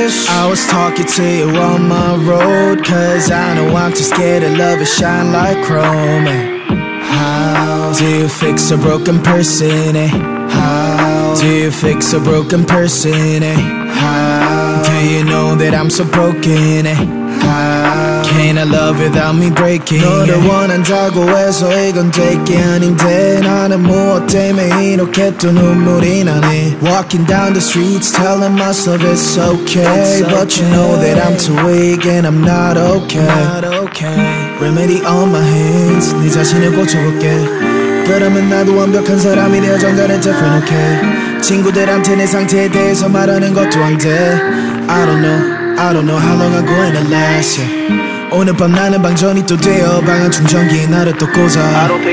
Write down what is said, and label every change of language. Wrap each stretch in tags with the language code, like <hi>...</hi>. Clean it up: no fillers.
<en>I was talking to you on my road, cause I know I'm too scared of love, it shine like chrome. Do you fix a broken person, eh? How? Do you fix a broken person, eh? How? Do you know that I'm so broken, eh? How? Can I love without me breaking,</en> <ko>너를 원한다고 해서 이건 될게 아닌데 나는 무엇 때문에 이렇게 또 눈물이 나네.</ko> <en>Walking down the streets telling myself it's okay, but you know that I'm too weak and I'm not okay. Remedy on my hands,</en> <ko>네 자신을 고쳐볼게. 그러면 나도 완벽한 사람이 되어 정단을 덮어 놓게. 친구들한테 내 상태에 대해서 말하는 것도 안 돼.</ko> <en>I don't know how long I'm gonna last, yeah.</en> <ko>오늘 밤 나는 방전이 또 되어 방안 충전기 나를 또 꽂아.</ko>